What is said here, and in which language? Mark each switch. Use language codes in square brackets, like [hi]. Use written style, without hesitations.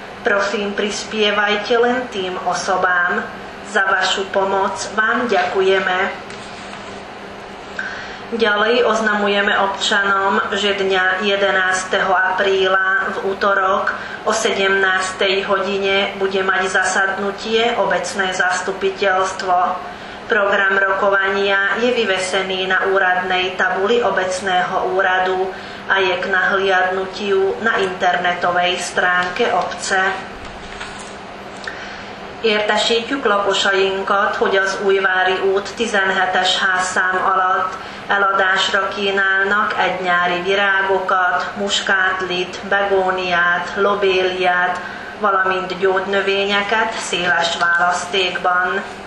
[sk] Prosím, prispievajte len tým osobám. Za vašu pomoc vám ďakujeme. Ďalej oznamujeme občanom, že dňa 11. apríla v utorok o 17. hodine bude mať zasadnutie obecné zastupiteľstvo. Program rokovania je vyvesený na úradnej tabuli obecného úradu a je k nahliadnutiu na internetovej stránke obce. [hu] Értesítjük lakosainkat, hogy az Újvári út 17-es házszám alatt eladásra kínálnak egy nyári virágokat, muskátlit, begóniát, lobéliát, valamint gyógynövényeket széles választékban.